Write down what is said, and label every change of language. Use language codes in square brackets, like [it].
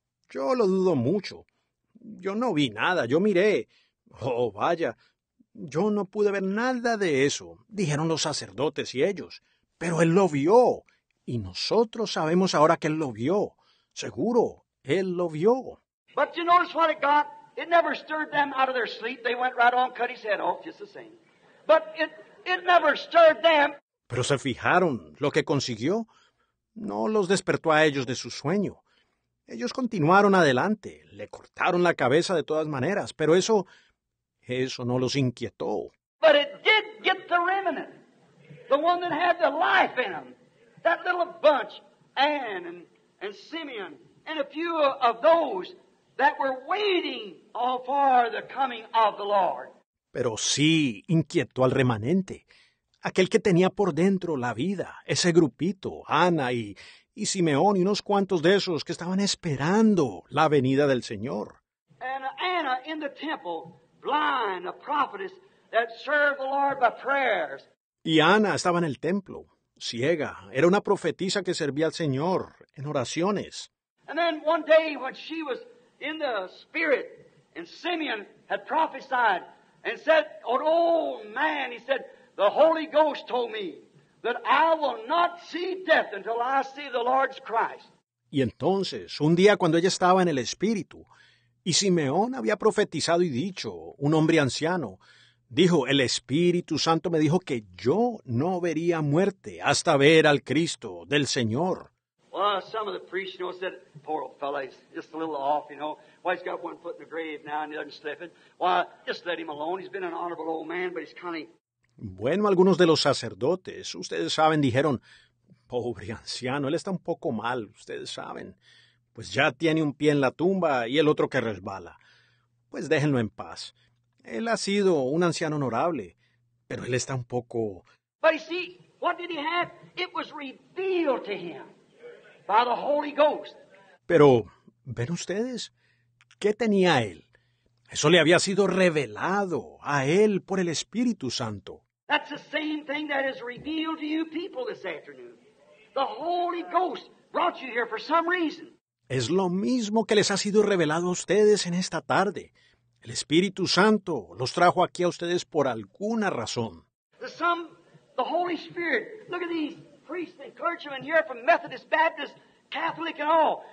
[es] Yo lo dudo mucho. Yo no vi nada, yo miré. Oh, vaya, yo no pude ver nada de eso, dijeron los sacerdotes y ellos. Pero él lo vio, y nosotros sabemos ahora que él lo vio. Seguro, él lo vio. [en] But you notice what it got? It never stirred them out of their sleep. They went right on, cut his head off, just the same. But it never stirred them. [es] Pero se fijaron lo que consiguió. No los despertó a ellos de su sueño. Ellos continuaron adelante. Le cortaron la cabeza de todas maneras. Pero eso no los inquietó. [en] But it did get the remnant. The one that had the life in them. That little bunch, Anne and Simeon, and a few of those that were waiting all for the coming of the Lord. [es] Pero sí inquietó al remanente, aquel que tenía por dentro la vida, ese grupito, Ana y Simeón y unos cuantos de esos que estaban esperando la venida del Señor. [en] And Anna in the temple, blind, a prophetess that served the Lord by prayers. [es] Y Ana estaba en el templo, ciega, era una profetisa que servía al Señor en oraciones. [en] And then one day when she was in the spirit and Simeon had prophesied, and said, an old man, he said, the Holy Ghost told me that I will not see death until I see the Lord's Christ. [es] Y entonces, un día cuando ella estaba en el Espíritu, y Simeón había profetizado y dicho, un hombre anciano, Dijo, el Espíritu Santo me dijo que yo no vería muerte hasta ver al Cristo del Señor. [en] Well, some of the priests, you know, said, poor old fella, he's just a little off, you know. Well, he's got one foot in the grave now and the other slipping. Well, just let him alone. He's been an honorable old man, but he's kind of... [es] Bueno, algunos de los sacerdotes, ustedes saben, dijeron, pobre anciano, él está un poco mal, ustedes saben. Pues ya tiene un pie en la tumba y el otro que resbala. Pues déjenlo en paz. Él ha sido un anciano honorable, pero él está un poco... [en] But you see, what did he have? It was revealed to him by the Holy Ghost. [es] Pero, ¿ven ustedes? ¿Qué tenía él? Eso le había sido revelado a él por el Espíritu Santo. [en] That's the same thing that is revealed to you people this afternoon. The Holy Ghost brought you here for some reason. [es] Es lo mismo que les ha sido revelado a ustedes en esta tarde. El Espíritu Santo los trajo aquí a ustedes por alguna razón. [en] The Holy Spirit. Look at these priests and clergymen here from Methodist, Baptist, Catholic and all.